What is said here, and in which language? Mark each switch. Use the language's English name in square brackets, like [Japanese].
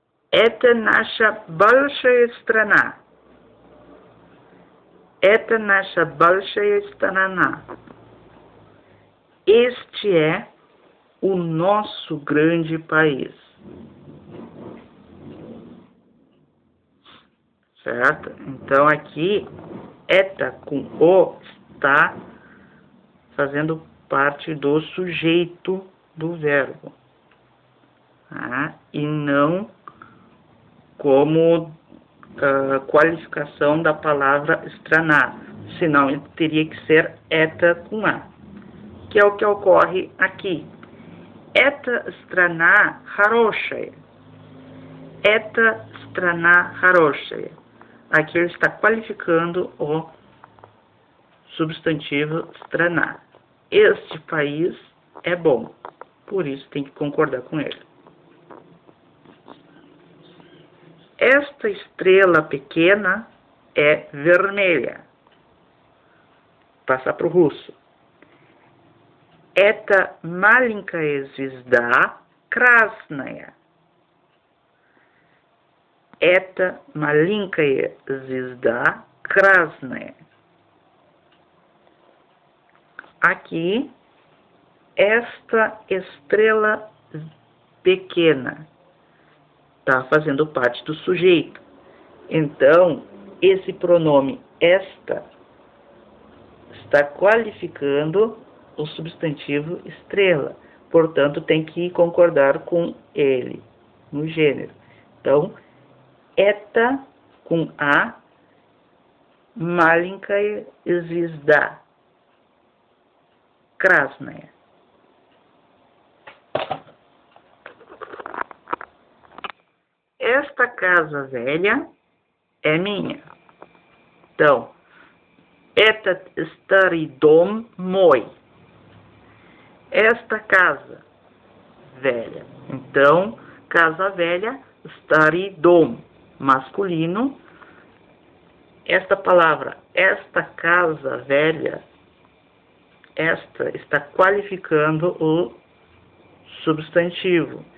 [Russian] Это наша большая страна. Это наша большая страна. [Portuguese] Este é o nosso grande país. Certo? Então aqui, это com o está fazendo parte do sujeito do verbo, tá? E não como qualificação da palavra estranar, senão teria que ser eta com a, que é o que ocorre aqui. [Russian] Eta estraná haroshe. Eta estraná haroshe. [Portuguese] Aqui ele está qualificando o substantivo estraná. Este país é bom, por isso tem que concordar com ele. Esta estrela pequena é vermelha. Passar para o russo. [Russian] Эта маленькая звезда красная. Эта маленькая звезда красная. [Portuguese] Aqui, esta estrela pequena está fazendo parte do sujeito. Então, esse pronome esta está qualificando o substantivo estrela. Portanto, tem que concordar com ele no gênero. Então, esta com a [Russian] маленькая звезда. Красная. [Portuguese] Esta casa velha é minha. [Russian] Então, этот старый дом мой. [Portuguese] Esta casa velha. Então, casa velha, [Russian] старый дом, [Portuguese] masculino. Esta palavra, esta casa velha, esta está qualificando o substantivo.